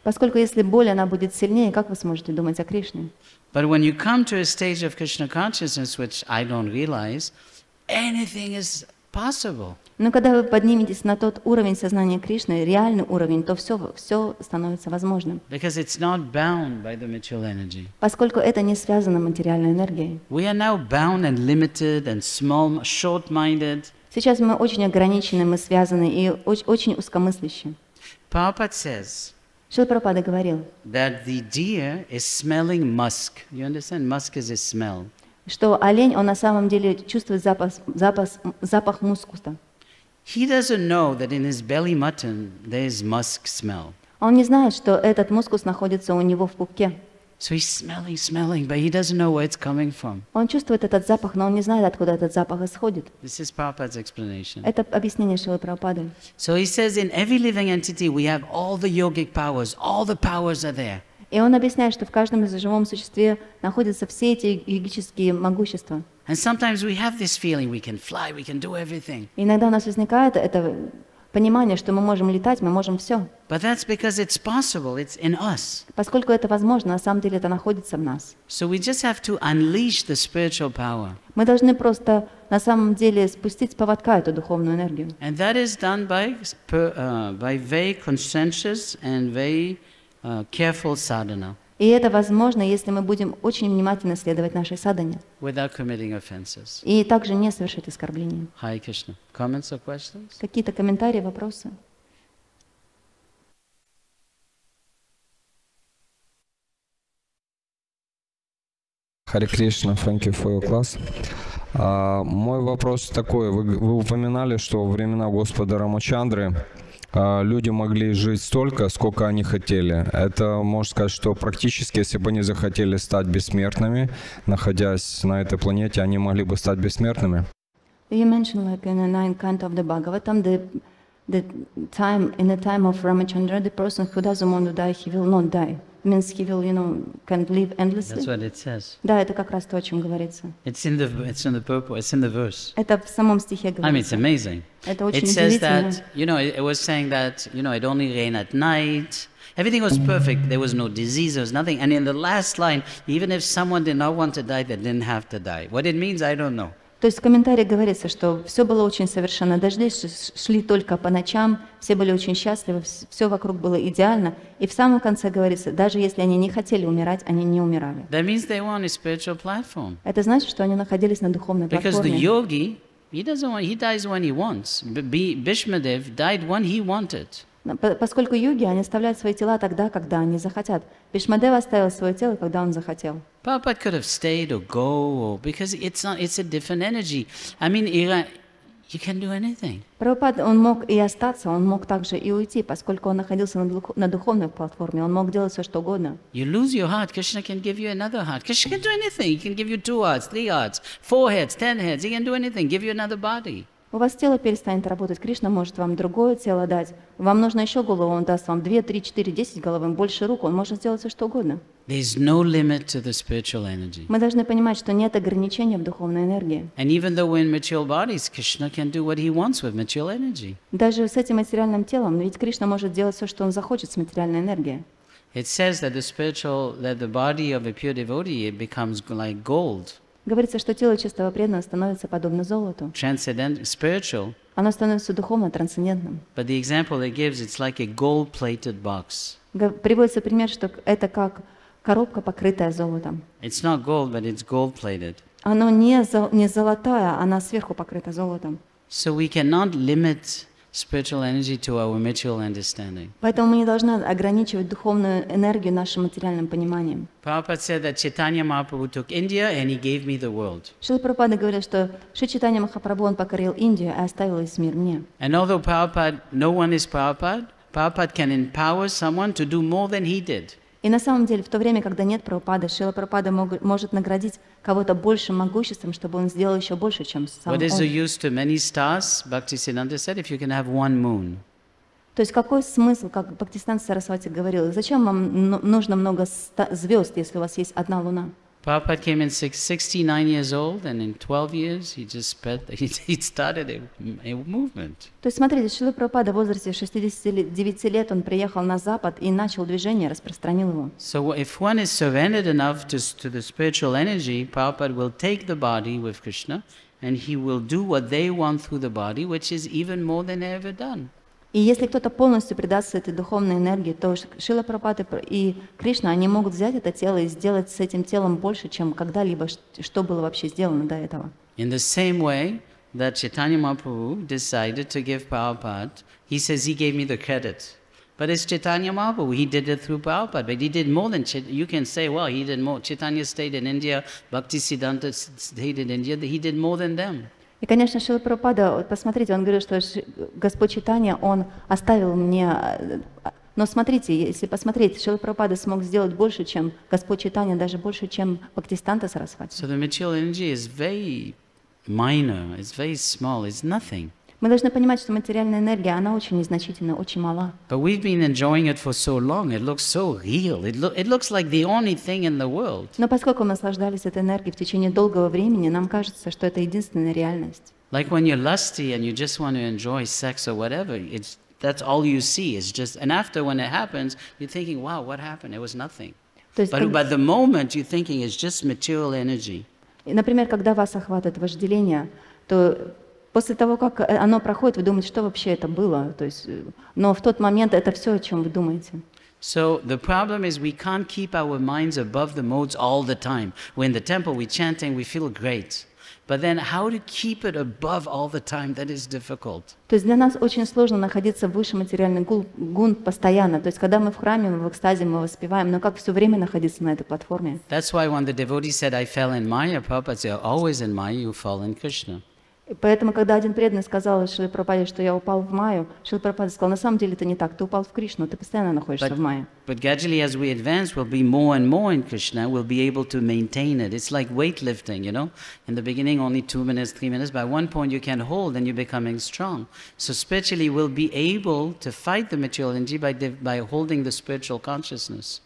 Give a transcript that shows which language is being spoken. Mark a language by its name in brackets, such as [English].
[Russian] Поскольку если боль, она будет сильнее, как вы сможете думать о Кришне? [English] But when you come to a stage of Krishna consciousness, which I don't realize, anything is possible. [Russian] Но когда вы подниметесь на тот уровень сознания Кришны, реальный уровень, то все становится возможным. [English] Because it's not bound by the material energy. [Russian] Поскольку это не связано с материальной энергией. [English] We are now bound and limited and small, short-minded. [Russian] Сейчас мы очень ограничены, мы связаны и очень узкомыслящие. [English] Prabhupada says. [Russian] Шрила Прабхупада говорил. [English] That the deer is smelling musk. You understand? Musk is a smell. [Russian] Что олень, он на самом деле чувствует запах мускуса. [English] He doesn't know that in his belly mutton there is musk smell. [Russian] Он не знает, что этот мускус находится у него в пупке. [English] So he's smelling, but he doesn't know where it's coming from. [Russian] Он чувствует этот запах, но он не знает, откуда этот запах исходит. [English] This is Prabhupada's explanation. [Russian] Это объяснение Шрилы Прабхупады. [English] So he says, in every living entity we have all the yogic powers. All the powers are there. [Russian] И он объясняет, что в каждом из живом существе находятся все эти йогические могущества. [English] And sometimes we have this feeling we can fly, we can do everything. [Russian] Иногда у нас возникает это понимание, что мы можем летать, мы можем все. [English] But that's because it's possible, it's in us. [Russian] Поскольку это возможно, на самом деле это находится в нас. [English] So we just have to unleash the spiritual power. [Russian] Мы должны просто на самом деле спустить с поводка эту духовную энергию. [English] And that is done by very conscientious and very careful sadhana. [Russian] И это возможно, если мы будем очень внимательно следовать нашей садхане. [English] Without committing offenses. [Russian] И также не совершать оскорблений. [English] Hare Krishna. Comments or questions? [Russian] Какие-то комментарии, вопросы? [English] Hare Krishna. Thank you for your class. [Russian] Мой вопрос такой. Вы упоминали, что во времена Господа Рамачандры люди могли жить столько, сколько они хотели. Это, можно сказать, что практически, если бы они захотели стать бессмертными, находясь на этой планете, они могли бы стать бессмертными. [English] You mentioned like in the ninth canto of the Bhagavatam, the time, in the time of Ramachandra, the person who doesn't want to die, he will not die. It means he will, you know, can live endlessly. That's what it says. [Russian] Да, это как раз то, о чем говорится. [English] It's in the purport. It's in the verse. [Russian] Это в самом стихе говорится. [English] I mean, it's amazing. [Russian] Это очень удивительно. [English] It says that, you know, it was saying that, you know, it only rain at night. Everything was perfect. There was no disease. There was nothing. And in the last line, even if someone did not want to die, they didn't have to die. What it means, I don't know. [Russian] То есть в комментарии говорится, что все было очень совершенно. Дожди шли только по ночам, все были очень счастливы, все вокруг было идеально. И в самом конце говорится, даже если они не хотели умирать, они не умирали. [English] That means they were on a spiritual platform. [Russian] Это значит, что они находились на духовной [English] Because [Russian] платформе. [English] Because the yogi, he doesn't want, he dies when he wants. Bhishmadev died when he wanted. [Russian] Поскольку йоги, они оставляют свои тела тогда, когда они захотят. Бишмадев оставил свое тело, когда он захотел. [English] Prabhupada could have stayed or go, or, because it's not, it's a different energy. I mean, you can do anything. [Russian] Прабхупад, он мог и остаться, он мог также и уйти, поскольку он находился на духовной платформе, он мог делать все, что угодно. [English] You lose your heart, Krishna can give you another heart. Krishna can do anything. He can give you two hearts, three hearts, four heads, ten heads. He can do anything, give you another body. [Russian] У вас тело перестанет работать, Кришна может вам другое тело дать. Вам нужно еще голову, он даст вам 2, 3, 4, 10 голов, больше рук, он может сделать все, что угодно. [English] There's no limit to the spiritual energy. [Russian] Мы должны понимать, что нет ограничения в духовной энергии. [English] And even though we're in material bodies, Krishna can do what he wants with material energy. [Russian] Даже с этим материальным телом, ведь Кришна может делать все, что он захочет с материальной энергией. [English] It says that the spiritual, that the body of a pure devotee becomes like gold. [Russian] Говорится, что тело чистого преданного становится подобно золоту. [English] Spiritual. [Russian] Оно становится духовно трансцендентным. [English] But the example it gives, it's like a gold-plated box. [Russian] Приводится пример, что это как коробка, покрытая золотом. [English] It's not gold, but it's gold-plated. [Russian] Оно не золотое, она сверху покрыта золотом. [English] So we cannot limit spiritual energy to our material understanding. [Russian] Поэтому мы не должны ограничивать духовную энергию нашим материальным пониманием. [English] Prabhupada said that Chaitanya Mahaprabhu took India and he gave me the world. [Russian] Шрила Прабхупада говорит, что Шри Чайтанья Махапрабху он покорил Индию и оставил весь мир мне. [English] And although Prabhupada, no one is Prabhupada, Prabhupada can empower someone to do more than he did. [Russian] И на самом деле, в то время, когда нет Прабхупады, Шрила Прабхупада может наградить кого-то большим могуществом, чтобы он сделал еще больше, чем сам [English] What [Russian] он. [English] Is the use to many stars, Bhaktisiddhanta said, if you can have one moon? [Russian] То есть какой смысл, как Бхактисиддханта Сарасвати говорил, зачем вам нужно много звезд, если у вас есть одна луна? [English] Prabhupada came in 69 years old, and in 12 years he just spread. He started a movement. [Russian] То есть смотрите, Шрила Прабхупада в возрасте 69 лет он приехал на Запад и начал движение, распространил его. [English] So if one is surrendered enough to the spiritual energy, Prabhupada will take the body with Krishna, and he will do what they want through the body, which is even more than they ever done. [Russian] И если кто-то полностью предастся этой духовной энергии, то Шрила Прабхупада и Кришна, они могут взять это тело и сделать с этим телом больше, чем когда-либо, что было вообще сделано до этого. [English] In the same way that Chaitanya Mahaprabhu decided to give Prabhupada, he says he gave me the credit. But it's Chaitanya Mahaprabhu, he did it through Prabhupada, but he did more than you can say, well, he did more. Chaitanya stayed in India, Bhaktisiddhanta stayed in India, he did more than them. [Russian] И, конечно, Шрила Прабхупада, вот посмотрите, он говорил, что Господь Чайтанья, он оставил мне... Но смотрите, если посмотреть, Шрила Прабхупада смог сделать больше, чем Господь Чайтанья, даже больше, чем Бхактисиддханта Сарасвати. [English] So the material energy is very minor, it's very small, it's nothing. [Russian] Мы должны понимать, что материальная энергия, она очень незначительна, очень мала. [English] But we've been enjoying it for so long, it looks so real, it looks like the only thing in the world. [Russian] Но поскольку мы наслаждались этой энергией в течение долгого времени, нам кажется, что это единственная реальность. [English] Like when you're lusty and you just want to enjoy sex or whatever, that's all you see, it's just, and after when it happens, you're thinking, wow, what happened, it was nothing. But the moment you're thinking, it's just material energy. [Russian] Например, когда вас охватывает вожделение, то... После того, как оно проходит, вы думаете, что вообще это было? То есть, но в тот момент это все, о чем вы думаете. [English] So the problem is we can't keep our minds above the modes all the time. We're in the temple, we're chanting, we feel great. But then how to keep it above all the time, that is difficult. [Russian] То есть для нас очень сложно находиться в высшем материальном гун постоянно. То есть когда мы в храме, мы в экстазе, мы воспеваем, но как все время находиться на этой платформе? [English] That's why when the devotee said, I fell in Maya, Prabhupada said, always in Maya, you fall in Krishna. [Russian] Поэтому, когда один преданный сказал Шриле Прабхупаде, что я упал в Майю, Шриле Прабхупаде сказал, на самом деле это не так, ты упал в Кришну, ты постоянно находишься в Майе. [English] But gradually, as we advance, we'll be more and more in Krishna. We'll be able to maintain it. It's like weightlifting, you know. In the beginning, only 2 minutes, 3 minutes. By one point, you can hold, and you're becoming strong. So spiritually, we'll be able to fight the material energy by holding the spiritual consciousness.